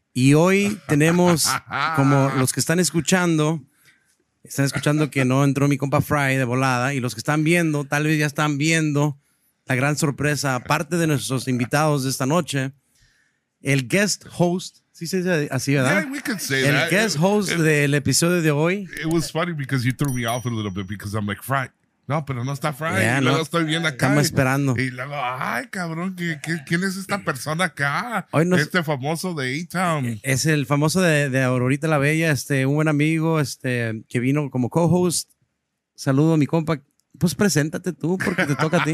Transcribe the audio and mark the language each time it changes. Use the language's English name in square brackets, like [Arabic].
[Spanish] Y hoy tenemos, como los que están escuchando que no entró mi compa Fry de volada, y los que están viendo, tal vez ya están viendo la gran sorpresa, aparte de nuestros invitados de esta noche, el guest host, ¿sí se dice así, verdad? [English] Yeah, we could say [Spanish] el [English] that. [Spanish] El guest host del episodio de hoy. [English] It was funny because you threw me off a little bit because I'm like, Fry. [Spanish] No, pero no está Fry. Yeah, no, estoy bien acá. Estamos esperando. Y luego, ay, cabrón, ¿quién es esta persona acá? Hoy nos, este famoso de A-Town. Es el famoso de Aurorita la Bella, un buen amigo que vino como co-host. Saludo a mi compa. Pues preséntate tú, porque te toca a ti.